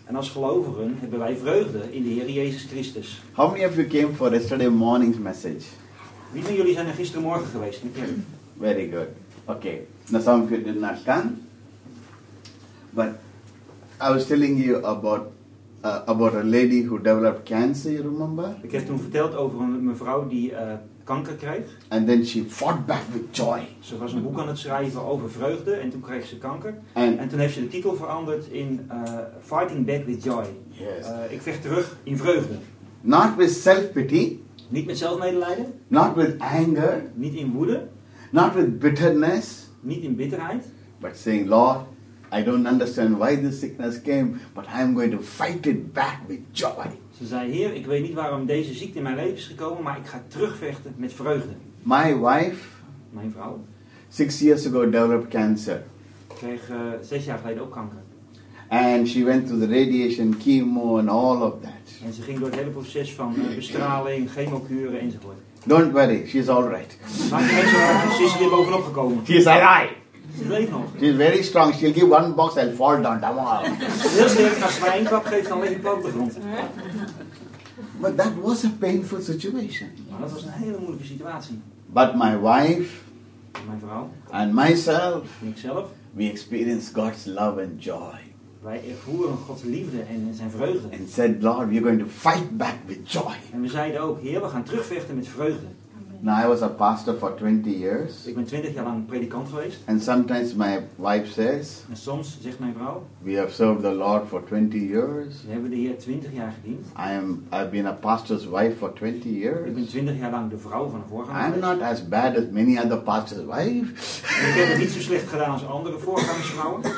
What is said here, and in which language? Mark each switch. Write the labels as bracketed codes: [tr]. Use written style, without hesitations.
[nl] En als gelovigen hebben wij vreugde in de Heer Jezus Christus. [en] How many of you came for yesterday morning's message? [nl] Wie van jullie zijn er gistermorgen geweest? [en] Very good. Okay. Now some of you did not come, but I was telling you about a lady who developed cancer. You remember? [nl] Ik heb toen verteld over een mevrouw die kanker kreeg. [en] And then she fought back with joy. [nl] Ze was een boek aan het schrijven over vreugde en toen kreeg ze kanker. En toen heeft ze de titel veranderd in [en] Fighting Back with Joy. Yes. [nl] Ik vecht terug in vreugde. [en] Not with self-pity. [nl] Niet met zelfmedelijden. [en] Not with anger. [nl] Niet in woede. [en] Not with bitterness. [nl] Niet in bitterheid. [en] But saying, Lord, I don't understand why this sickness came, but I'm going to fight it back with joy. [nl] Ze zei, Heer, ik weet niet waarom deze ziekte in mijn leven is gekomen, maar ik ga terugvechten met vreugde. [en] My wife, [nl] mijn vrouw, [en] 6 years ago developed cancer. [nl] Kreeg 6 jaar geleden ook kanker. [en] And she went through the radiation, chemo and all of that. [nl] En ze ging door het hele proces van bestraling, chemokuren enzovoort. [en] Don't worry, she's all right. [nl] Ze is er weer bovenop gekomen. [en] She is all right. [nl] Ze leeft nog. [en] She is very strong. She'll give one box, I'll fall down. Come on. [nl] Heel sterk, als je maar één klap geeft, dan leg je plat op de grond. [en] But that was a painful situation. [nl] Maar dat was een hele moeilijke situatie. [en] But my wife, [nl] mijn vrouw, [en] and myself, [nl] ikzelf, [en] we experience God's love and joy. [nl] Wij ervoeren Gods liefde en zijn vreugde. [en] And said, Lord, we're going to fight back with joy. [nl] En we zeiden ook, Heer, we gaan terugvechten met vreugde. [en] Now I was a pastor for 20 years. [nl] Ik ben 20 jaar lang predikant geweest. [en] And sometimes my wife says. [nl] En soms zegt mijn vrouw. [en] We have served the Lord for 20 years. [nl] We hebben de Heer 20 jaar gediend. [en] I've been a pastor's wife for 20 years. [nl] Ik ben 20 jaar lang de vrouw van een voorganger. [en] I'm not as bad as many other pastors' wife. [nl] Ik heb het niet zo slecht gedaan als andere voorgangersvrouwen.